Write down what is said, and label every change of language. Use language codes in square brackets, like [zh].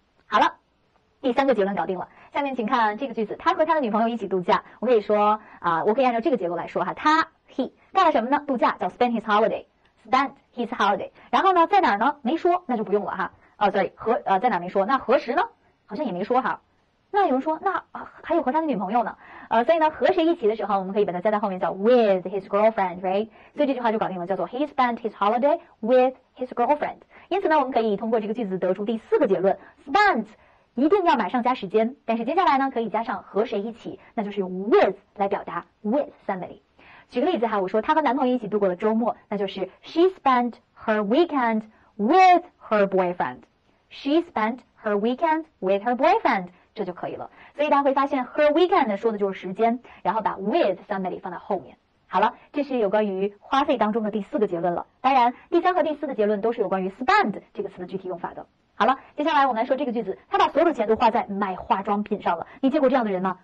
[zh] 好了，第三个结论搞定了，下面请看这个句子，他和他的女朋友一起度假，我可以说我可以按照这个结构来说哈，他 he 干了什么呢，度假叫 [en] spend his holiday， spend his holiday， [zh] 然后呢在哪儿呢，没说，那就不用了哈，在哪儿没说，那何时呢，好像也没说哈，那有人说那还有和他的女朋友呢，所以呢和谁一起的时候我们可以把它加在后面，叫 [en] with his girlfriend， [zh] right， 所以这句话就搞定了，叫做 [en] he spent his holiday with his girlfriend。 [zh] 因此呢我们可以通过这个句子得出第四个结论， spent一定要马上加时间，但是接下来呢可以加上和谁一起，那就是用 with 来表达 with somebody。举个例子哈，我说她和男朋友一起度过了周末，那就是 [en] she spent her weekend with her boyfriend， she spent her weekend with her boyfriend， [zh] 这就可以了。所以大家会发现 her weekend 说的就是时间，然后把 with somebody 放在后面。好了，这是有关于花费当中的第四个结论了，当然第三和第四的结论都是有关于 spend 这个词的具体用法的。好了，接下来我们来说这个句子，他把所有的钱都花在买化妆品上了，你见过这样的人吗？